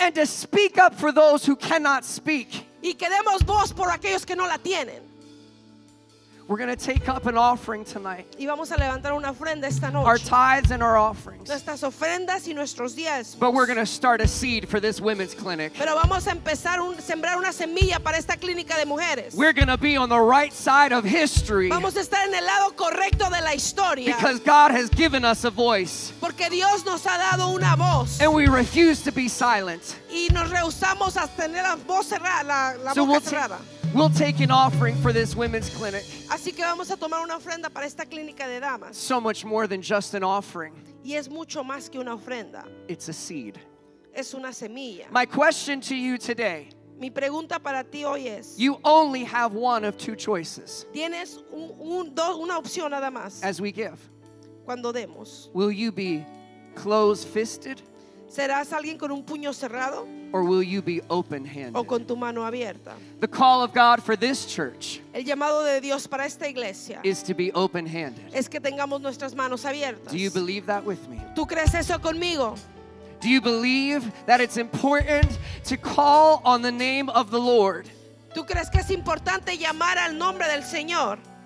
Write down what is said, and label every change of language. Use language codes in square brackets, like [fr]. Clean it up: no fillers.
[en] and to speak up for those who cannot speak, [es] y que demos voz por aquellos que no la tienen. [en] We're going to take up an offering tonight, [es] y vamos a levantar una ofrenda esta noche, [en] our tithes and our offerings, [es] nuestras ofrendas y nuestros diezmos. [en] But we're going to start a seed for this women's clinic. [es] Pero vamos a empezar un, sembrar una semilla para esta clínica de mujeres. [en] We're going to be on the right side of history. [es] Vamos a estar en el lado correcto de la historia. [en] Because God has given us a voice. [es] Porque Dios nos ha dado una voz. [en] And we refuse to be silent. [es] Y nos rehusamos a tener la voz cerrada, la boca cerrada. [en] We'll take an offering for this women's clinic. [es] Así que vamos a tomar una ofrenda para esta clínica de damas. [en] So much more than just an offering. [es] Y es mucho más que una ofrenda. [en] It's a seed. [es] Es una semilla. [en] My question to you today. [es] Mi pregunta para ti hoy es. [en] You only have one of two choices. [es] Tienes una opción nada más. [en] As we give. [es] Cuando demos. [en] Will you be closed-fisted? [es] ¿Serás alguien con un puño cerrado? [en] Or will you be open-handed? [es] ¿O con tu mano abierta? [en] The call of God for this church, [es] el llamado de Dios para esta iglesia, [en] is to be open-handed. [es] Es que tengamos nuestras manos abiertas. [en] Do you believe that with me? [es] ¿Tú crees eso conmigo? [en] Do you believe that it's important to call on the name of the Lord? [es] ¿Tú crees que es importante llamar al nombre del Señor?